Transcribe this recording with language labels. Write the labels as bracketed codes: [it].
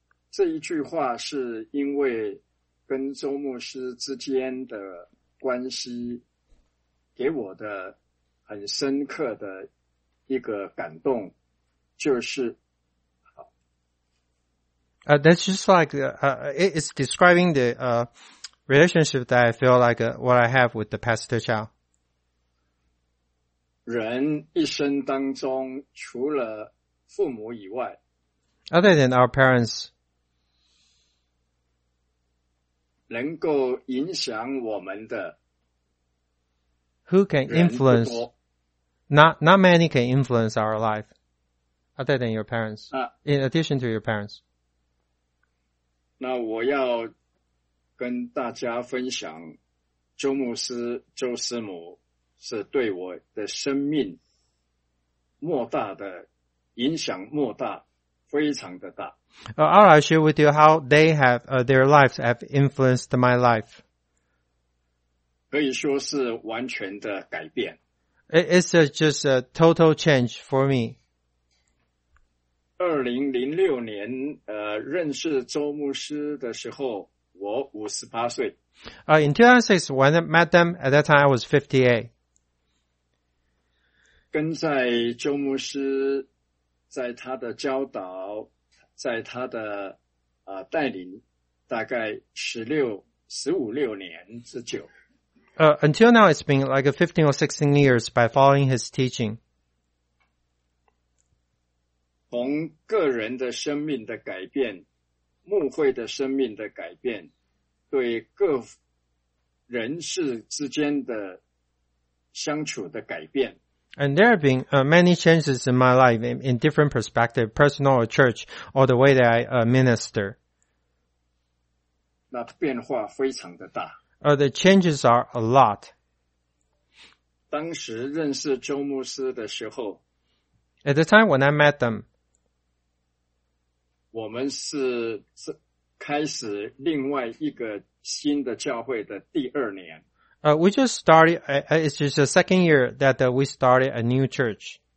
[zh] 这一句话是因为跟周牧师之间的关系给我的很深刻的一个感动，就是 [en] That's just like it's describing the relationship that I feel like what I have with the Pastor Chow. [zh] 人一生当中除了父母以外， [en] other than our parents, [zh] 能够影响我们的， [en] who can influence, not many can influence our life, other than your parents, in addition to your parents. [zh] 那我要跟大家分享，周牧师、周师母是对我的生命莫大的影响，莫大，非常的大。 [en] I'll share with you how they have their lives have influenced my life. [zh] 可以说是完全的改变。 [en] It's just a total change for me. [zh] 2006年，认识周牧师的时候，我58岁。 [en] In 2006, when I met them, at that time I was 58. [zh] 跟在周牧师，在他的教导，在他的带领，大概15-16年之久。 [en] Until now, it's been like 15 or 16 years by following his teaching. [zh] 从个人的生命的改变，牧会的生命的改变，对各人士之间的相处的改变。 [en] And there have been many changes in my life in different perspective, personal or church, or the way that I minister. [zh] 那变化非常的大。 [en] The changes are a lot. [zh] 当时认识周牧师的时候， [en] at the time when I met them, [zh] 我们是开始另外一个新的教会的第二年。 [en] We just started, it's just the second year that we started a new church.